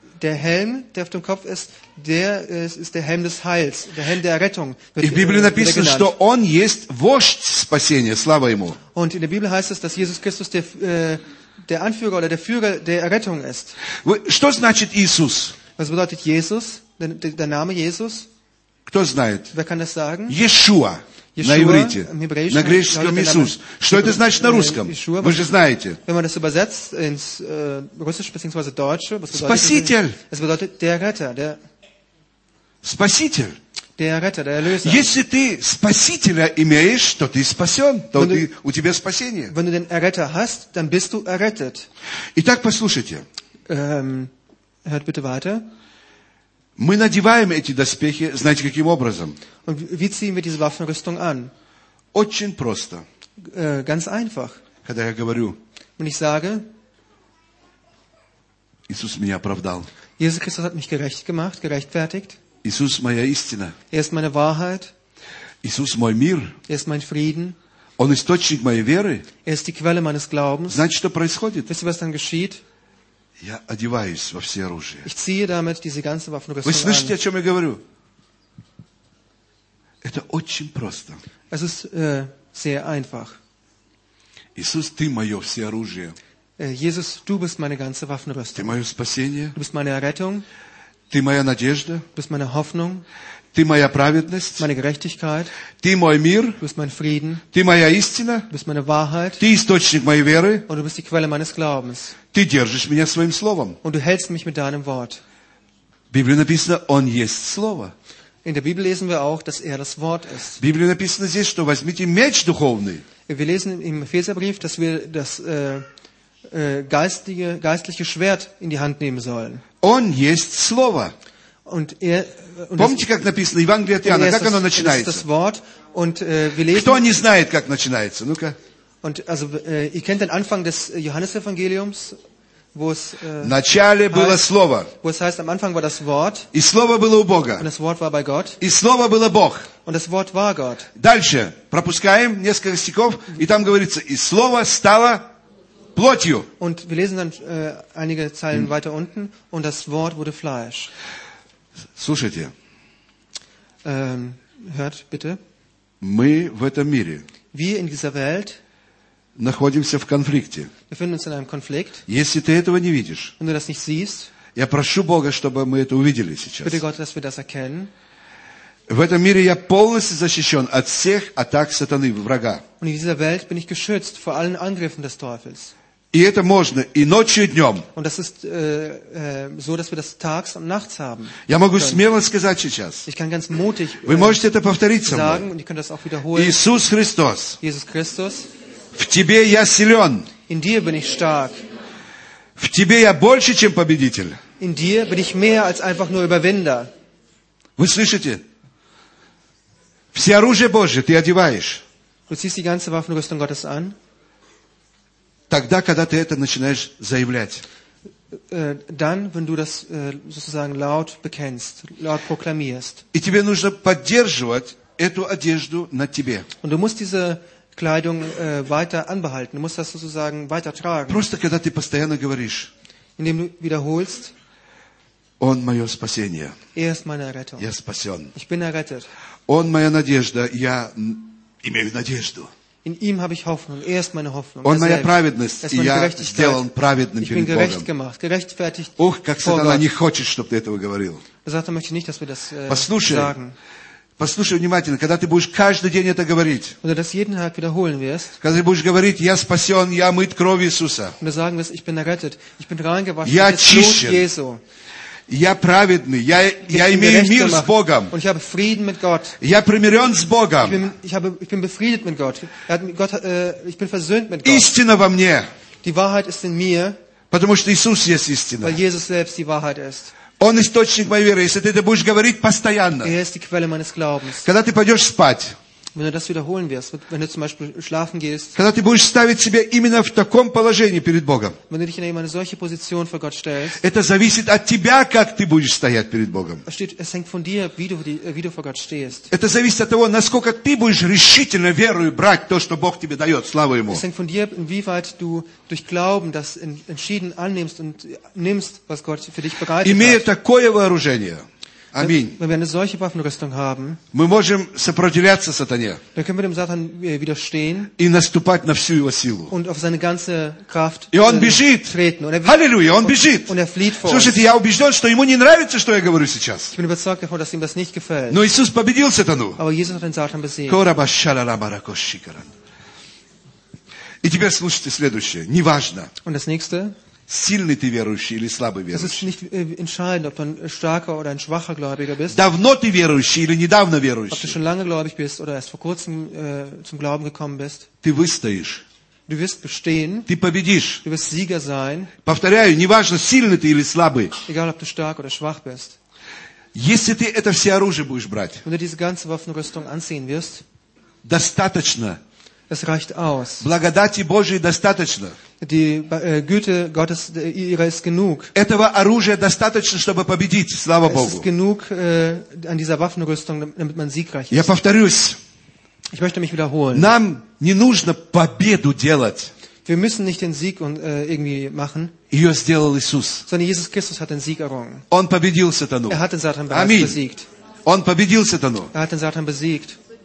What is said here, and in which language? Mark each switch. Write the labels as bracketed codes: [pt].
[de] Der Helm, der auf dem Kopf ist, der ist der Helm des Heils, der Helm der Errettung. [ru] В Библии написано, что он есть вождь спасения. Слава ему. [de] Und in der Bibel heißt es, dass Jesus Christus der der Anführer oder der Führer der Errettung ist. [ru] Что значит Иисус? [de] Was bedeutet Jesus? Der Name Jesus? [ru] Кто знает? [de] Wer kann das sagen? [he] Yeshua. Yeshua [ru] на иврите. На греческом Иисус. Что это значит на русском? [he] Yeshua, [ru] вы же знаете. [de] Wenn man das übersetzt ins Russische bzw. Deutsche, was bedeutet [ru] Спаситель. [de] Es bedeutet der Retter, der [ru] Спаситель. [de] Der Retter, der Erlöser. [ru] Если ты Спасителя имеешь, то ты спасен, то [de] wenn [ru] ты, у тебя спасение. [de] Wenn du den Erretter hast, dann bist du errettet. [ru] Итак, послушайте. [de] Hört bitte weiter. [ru] Мы надеваем эти доспехи, знаете, каким образом? [de] Und wie ziehen wir diese Waffenrüstung an? [ru] Очень просто. [de] Ganz einfach. [ru] Когда я говорю, [de] wenn ich sage, [ru] Иисус меня оправдал. [de] Jesus Christus hat mich gerecht gemacht, gerechtfertigt. [ru] Иисус моя истина. [de] Er ist meine Wahrheit. [ru] Иисус мой мир. [de] Er ist mein Frieden. [ru] Он источник моей веры. [de] Er ist die Quelle meines Glaubens. [ru] Знаете, что происходит? [de] Wisst ihr, was dann geschieht? [ru] Я одеваюсь во все оружие. [de] Ich ziehe damit diese ganze Waffenrüstung an. [ru] Вы слышите, [de] an. [ru] О чем я говорю? Это очень просто. [de] Es ist sehr einfach. [ru] Иисус, ты мое все оружие. [de] Jesus, du bist meine ganze Waffenrüstung. [ru] Ты мое спасение. [de] Du bist meine Errettung. [ru] Ты моя надежда. [de] Du bist meine Hoffnung. [ru] Ты моя праведность. [de] Meine Gerechtigkeit. [ru] Ты мой мир. [de] Du bist mein Frieden. [ru] Ты моя истина. [de] Du bist meine Wahrheit. [ru] Ты источник моей веры. [de] Und du bist die Quelle meines Glaubens. [ru] Ты держишь меня своим словом. [de] Und du hältst mich mit deinem Wort. [ru] В Библии написано, он есть слово. [de] In der Bibel lesen wir auch, dass er das Wort ist. [ru] В Библии написано здесь, что возьмите меч духовный. [de] Wir lesen im Epheserbrief, dass wir das geistliche Schwert in die Hand nehmen sollen. [ru] Он есть слово. [de] Und er, und [ru] помните, [de] das, [ru] как написано Евангелие от Иоанна, как оно начинается? [de] Das Wort, und, lesen, [ru] кто не знает, как начинается? Ну-ка. [de] Und, also, ihr kennt den Anfang des Johannesevangeliums, wo es, [ru] начале [de] heißt, [ru] было слово. [de] Wo es heißt, am Anfang war das Wort, [ru] и слово было у Бога. [de] Und das Wort war bei Gott, [ru] и слово было Бог. [de] Und das Wort war Gott. [ru] Дальше пропускаем несколько стихов, и там говорится, и слово стало плотью. [de] Und wir lesen dann einige Zeilen weiter unten, und das Wort wurde Fleisch. [ru] Слушайте. [de] Hört bitte. [ru] Мы в этом мире. [de] Wir in dieser Welt. [ru] Находимся в конфликте. [de] Wir befinden uns in einem Konflikt. [ru] Если ты этого не видишь. [de] Wenn du das nicht siehst. [ru] Я прошу Бога, чтобы мы это увидели сейчас. [de] Bitte Gott, dass wir das erkennen. [ru] В этом мире я полностью защищен от всех атак сатаны, врага. [de] Und in dieser Welt bin ich geschützt vor allen Angriffen des Teufels. [ru] И это можно и ночью, и днем. [de] Und das ist so, dass wir das tags und nachts haben. [ru] Я могу смело сказать сейчас. [de] Ich kann ganz mutig, [ru] вы можете это повторить [de] sagen, [ru] со мной. [de] Und ich kann das auch wiederholen. [ru] Иисус Христос. [de] Jesus Christus. [ru] В тебе я силен. [de] In dir bin ich stark. [ru] В тебе я больше, чем победитель. [de] In dir bin ich mehr als einfach nur Überwinder. [ru] Вы слышите? Все оружие Божие ты одеваешь. [de] Du ziehst die ganze Waffenrüstung Gottes an. [ru] Тогда, когда ты это начинаешь заявлять. [de] Dann, wenn du das sozusagen laut bekennst, laut proklamierst. [ru] И тебе нужно поддерживать эту одежду на тебе. [de] Und du musst diese Kleidung weiter anbehalten. Du musst das sozusagen weiter tragen. [ru] Просто, когда ты постоянно говоришь. [de] Indem du wiederholst. [ru] Он мое спасение. [de] Er ist meine Errettung. [ru] Я спасен. [de] Ich bin errettet. [ru] Он моя надежда. Я имею надежду. [de] In ihm habe ich Hoffnung. Er ist meine Hoffnung. [ru] Он моя праведность. И я сделан праведным перед Богом. [de] Ich bin gerecht gemacht, gerechtfertigt. [ru] Ох, как сатана не хочет, чтобы ты этого говорил. [de] Сатана möchte nicht, dass wir das sagen. [ru] Послушай внимательно, когда ты будешь каждый день это говорить. [de] Oder das jeden Tag wiederholen wirst. [ru] Когда ты будешь говорить: я спасен, я мыт кровью Иисуса. [de] Und sagen wirst: ich bin errettet, ich bin reingewaschen. [ru] Я чищен. Я праведный. Я имею мир с Богом. [de] Und ich habe Frieden mit Gott. [ru] Я примирен с Богом. [de] Ich bin befriedet mit Gott. Ich bin versöhnt mit Gott. [ru] Истина во мне. [de] Die Wahrheit ist in mir. [ru] Потому что Иисус есть истина. [de] Weil Jesus selbst die Wahrheit ist. [ru] Он источник моей веры. Если ты это будешь говорить постоянно. [de] Er ist die Quelle meines Glaubens. [ru] Когда ты пойдешь спать. [de] Wenn du das wiederholen wirst, wenn du zum Beispiel schlafen gehst. [ru] Когда ты будешь ставить себя именно в таком положении перед Богом. [de] Wenn du dich in eine solche Position vor Gott stellst. [ru] Это зависит от тебя, как ты будешь стоять перед Богом. [de] Es hängt von dir, wie du vor Gott stehst. [ru] Это зависит от того, насколько ты будешь решительно верою брать то, что Бог тебе дает, слава Ему. [de] Es hängt von dir, inwieweit du durch Glauben das entschieden annimmst und nimmst, was Gott für dich bereitet hat. [ru] Имея такое вооружение. Аминь. [de] Wenn wir eine solche Waffenrüstung haben, [ru] мы можем сопротивляться сатане, [de] dann können wir dem Satan widerstehen [ru] и наступать на всю его силу. [de] Und auf seine ganze Kraft [ru] и он бежит. [de] Treten. Und [ru] Halleluja, он бежит. [de] Und er flieht vor [ru] Слушайте, [de] uns. [ru] Я убежден, что ему не нравится, что я говорю сейчас. [de] Ich bin überzeugt davon, dass ihm das nicht gefällt. [ru] Но Иисус победил сатану. [de] Aber Jesus hat den Satan besiegt. [ru] И теперь слушайте следующее. Неважно. [de] Und das nächste. [ru] Сильный ты верующий или слабый верующий? [de] Es ist nicht entscheidend, ob du ein starker oder ein schwacher Gläubiger bist. [ru] Давно ты верующий или недавно верующий? [de] Ob du schon lange gläubig bist oder erst vor kurzem zum Glauben gekommen bist. [ru] Ты выстоишь. [de] Du wirst bestehen. [ru] Ты победишь. [de] Du wirst Sieger sein. [ru] Повторяю, неважно, сильный ты или слабый. [de] Egal, ob du stark oder schwach bist. [ru] Если ты это все оружие будешь брать. [de] Wenn du diese ganze Waffenrüstung anziehen wirst. [ru] Достаточно. [de] Es reicht aus. [ru] Благодати Божией достаточно. [de] Die Güte Gottes ihrer ist genug. [ru] Этого оружия достаточно, чтобы победить, слава Богу. [de] Es ist genug an dieser Waffenrüstung, damit man siegreich ist. [ru] Я повторюсь. [de] Ich möchte mich wiederholen. [ru] Нам не нужно победу делать. [de] Wir müssen nicht den Sieg irgendwie machen. [ru] Ее сделал Иисус. [de] Sondern Jesus Christus hat den Sieg errungen. [ru] Он победил сатану. [de] Er hat den Satan bereits besiegt. [ru] Он победил сатану. [de] Er hat den Satan besiegt.